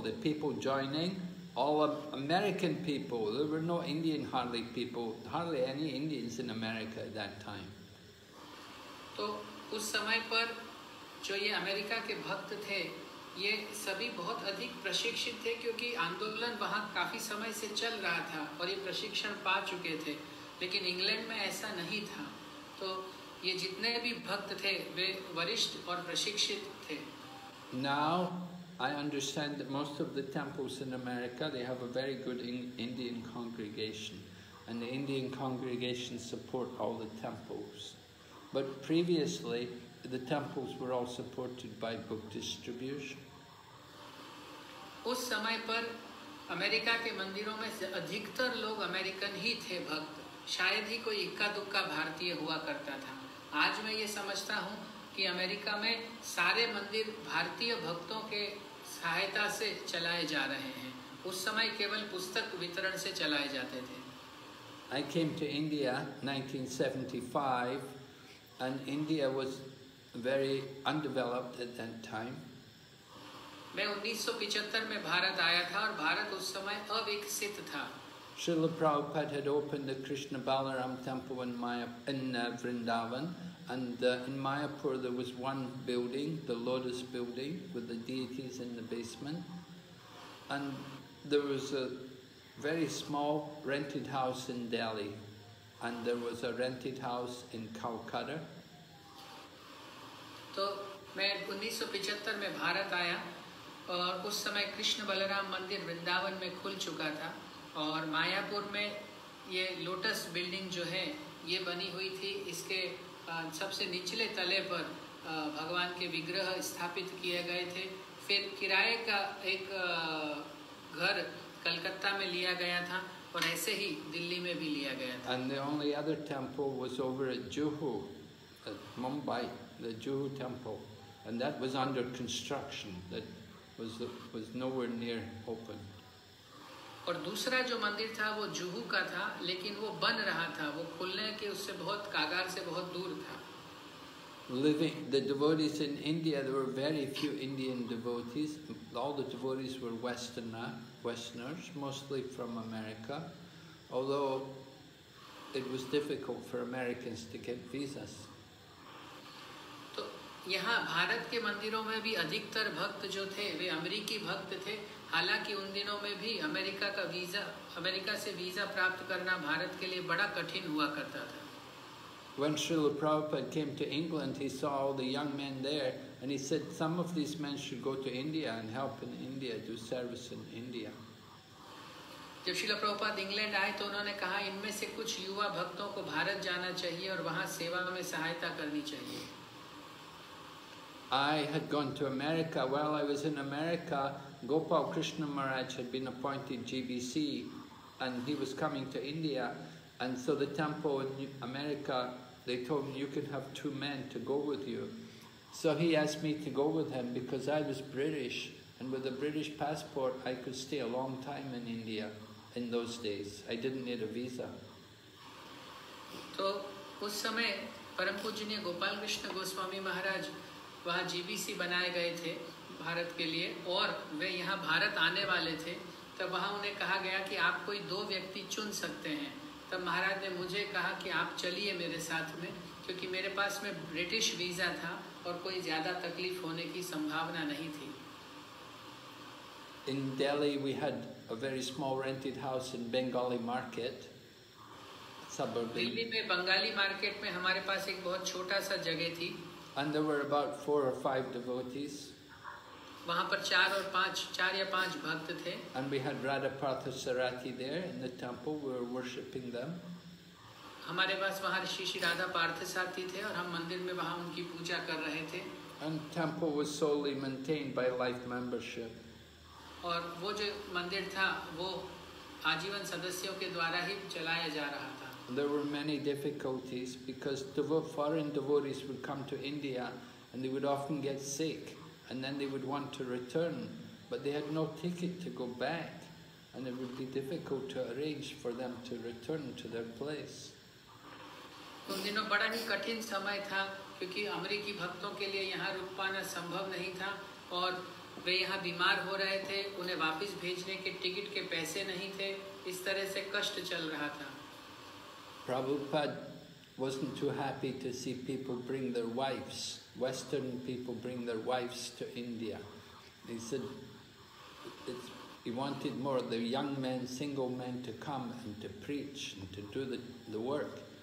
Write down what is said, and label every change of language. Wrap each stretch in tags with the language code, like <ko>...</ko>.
<en>The people joining, all American people, there were no Indian hardly people, hardly any Indians in America at that time.</en> <hi>तो उस समय पर जो ये America के भक्त थे ये सभी बहुत अधिक प्रशिक्षित थे क्योंकि आंदोलन वहाँ काफ़ी समय से चल रहा था और ये प्रशिक्षण पा चुके थे लेकिन इंग्लैंड में ऐसा नहीं था तो ये जितने भी भक्त थे वे वरिष्ठ और प्रशिक्षित थे</hi> <en>Now I understand that most of the temples in America they have a very good Indian congregation and the Indian congregation support all the temples But previously, the temples were all supported by book distribution.</en> <hi>उस समय पर America के मंदिरों में अधिकतर लोग American ही थे भक्त शायद ही कोई इक्का दुक्का भारतीय हुआ करता था आज मैं ये समझता हूँ कि अमेरिका में सारे मंदिर भारतीय भक्तों के सहायता से चलाए जा रहे हैं उस समय केवल पुस्तक वितरण से चलाए जाते थे</hi> <en>I came to India 1975. And India was very undeveloped at that time.</en> <hi>मैं 1975 में भारत आया था और भारत उस समय अविकसित था.</hi> <en>Srila Prabhupada had opened the Krishna Balaram temple in Vrindavan, and in Mayapur there was one building, the Lotus building, with the deities in the basement, and there was a very small rented house in Delhi, and there was a rented house in Calcutta.</en> <hi>तो मैं 1975 में भारत आया और उस समय कृष्ण बलराम मंदिर वृंदावन में खुल चुका था और मायापुर में ये लोटस बिल्डिंग जो है ये बनी हुई थी इसके सबसे निचले तले पर भगवान के विग्रह स्थापित किए गए थे। फिर किराए का एक घर कलकत्ता में लिया गया था और ऐसे ही दिल्ली में भी लिया गया था।</hi> <en>And the only other temple was over at Juhu, at Mumbai, the Juhu temple, and that was under construction. That was nowhere near open.</en> <hi>और दूसरा जो मंदिर था वो जुहू का था, लेकिन वो बन रहा था, वो खुलने के उससे बहुत कागार से बहुत दूर था।</hi> <en>Living the devotees in India, there were very few Indian devotees. All the devotees were Westerners, mostly from America. Although it was difficult for Americans to get visas.</en> <hi>तो यहाँ भारत के मंदिरों में भी अधिकतर भक्त जो थे वे अमेरिकी भक्त थे। हालांकि उन दिनों में भी अमेरिका का वीजा, अमेरिका से वीजा प्राप्त करना भारत के लिए बड़ा कठिन हुआ करता था।</hi> <en>When Srila Prabhupada came to England, he saw all the young men there, and he said, some of these men should go to India and help in India, do service in India.</en> <hi>जब Srila Prabhupada England आए तो उन्होंने कहा इनमें से कुछ युवा भक्तों को भारत जाना चाहिए और वहां सेवा में सहायता करनी चाहिए।</hi> <en>I had gone to America. While I was in America, Gopal Krishna Maharaj had been appointed GBC, and he was coming to India. And so the temple in America, they told him, you can have two men to go with you. So he asked me to go with him because I was British, and with a British passport, I could stay a long time in India in those days. I didn't need a visa.</en> <hi>So, उस समय परम पूजनीय गोपाल कृष्ण गोस्वामी महाराज वहाँ GBC बनाए गए थे भारत के लिए, और वे यहाँ भारत आने वाले थे। तब वहाँ उन्हें कहा गया कि आप कोई दो व्यक्ति चुन सकते हैं। तब महाराज ने मुझे कहा कि आप चलिए मेरे साथ में, क्योंकि मेरे पास में ब्रिटिश वीज़ा था और कोई ज़्यादा तकलीफ होने की संभावना नहीं थी।</hi> <en>In Delhi we had a very small rented house in Bengali market, suburb.</en> <hi>Delhi में बंगाली मार्केट में हमारे पास एक बहुत छोटा सा जगह थी।</hi> <en>And there were about four or five devotees.</en> <hi>वहाँ पर चार या पांच भक्त थे।</hi> <en>And we had Radha Partha Sarathi there in the temple. We were worshipping them.</en> <hi>हमारे पास वहाँ श्री राधा पार्थ सारथी थे और हम मंदिर में वहाँ उनकी पूजा कर रहे थे।</hi> <en>And temple was solely maintained by life membership.</en> <hi>और वो जो मंदिर था वो आजीवन सदस्यों के द्वारा ही चलाया जा रहा था।</hi> <en>There were many difficulties because foreign devotees would come to India and they would often get sick and then they would want to return, but they had no ticket to go back and it would be difficult to arrange for them to return to their place.</en> <hi>उन दिनों बड़ा ही कठिन समय था क्योंकि अमेरिकी भक्तों के लिए यहाँ रुक पाना संभव नहीं था और वे यहाँ बीमार हो रहे थे, उन्हें वापस भेजने के टिकट के पैसे नहीं थे, इस तरह से कष्ट चल रहा था।</hi> <en>Prabhupada wasn't too happy to see people bring their wives, Western people bring their wives to India. He said he wanted more of the young men, single men to come and to preach and to do the work.</en>